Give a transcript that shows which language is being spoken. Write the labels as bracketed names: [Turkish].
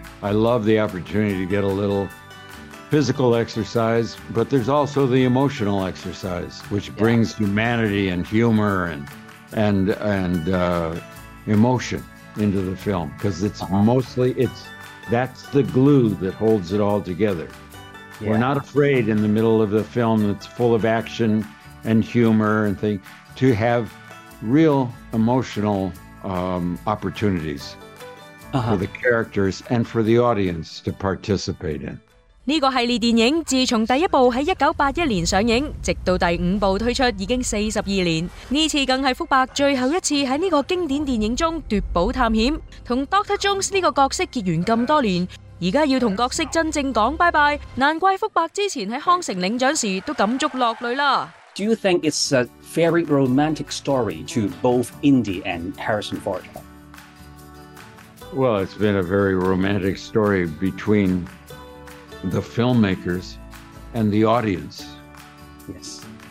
[English] I love the opportunity to get a little physical exercise, but there's also the emotional exercise, which brings humanity and humor and emotion into the film, because it's that's the glue that holds it all together. Yeah. We're not afraid in the middle of the film that's full of action and humor and things to have real emotional opportunities for the characters and for the audience to participate in. [Chinese] 这个系列电影自从第一部在1981年上映，直到第五部推出已经42年。这次更是福伯最后一次在这个经典电影中夺宝探险。同 Dr. Jones 这个角色结缘这么多年，现在要同角色真正讲拜拜，难怪福伯之前在康城领奖时都感触落泪了。 [English] Do you think it's a very romantic story to both Indy and Harrison Ford? Well, it's been a very romantic story between the filmmakers and the audience. Yes.